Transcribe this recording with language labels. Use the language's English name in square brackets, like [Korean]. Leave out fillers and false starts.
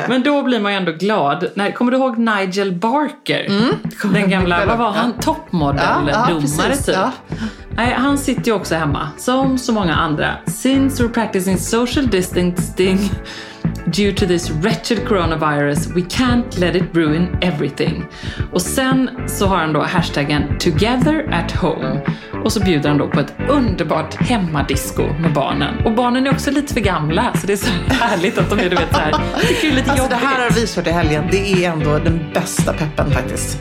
[Swedish] Men då blir man ju ändå glad. Nej, kommer du ihåg Nigel Barker? Mm. Den gamla, vad var han? Toppmodell, domare typ. Ja. Nej, han sitter ju också hemma, som så många andra. [English] Since we're practicing social distancing due to this wretched coronavirus, we can't let it ruin everything. [Swedish] Och sen så har han då hashtaggen together at home. Och så bjuder han då på ett underbart hemmadisco med barnen. Och barnen är också lite för gamla, så det är så härligt att de är, du vet, så här. Det är lite jobbigt. Alltså, det här har vi kört i helgen. Det är ändå den bästa peppen faktiskt.